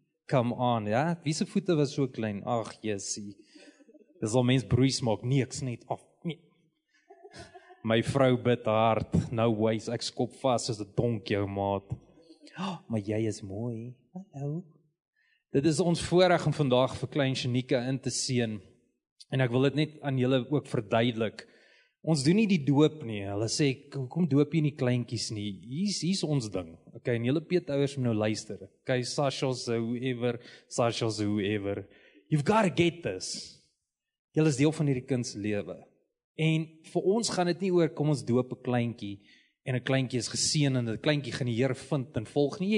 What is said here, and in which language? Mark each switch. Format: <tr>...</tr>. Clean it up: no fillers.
<af>Come on, ja, wie se voete was so klein? Ach, jessie, dis al mens broei smaak, niks net af. Nee. My vrou bid hard, no ways, ek skop vast as 'n donkie, jou maat. Oh, maar jy is mooi, hallo. Dit is ons voorreg om vandag vir klein Shanika in te seën. En ek wil dit net aan julle ook verduidelik. Ons doen nie die doop nie. Hulle sê, hoekom doop jy nie kleintjies nie? Hier's ons ding. Okay, en julle peetouers moet nou luister.</af> <en>Okay, Sasha's whoever. You've got to get this.</en> <af>Julle is deel van hierdie kind se lewe. En vir ons gaan dit nie oor, kom ons doop 'n kleintjie. En 'n kleintjie is geseën en 'n kleintjie gaan die Here vind en volg nie.</af>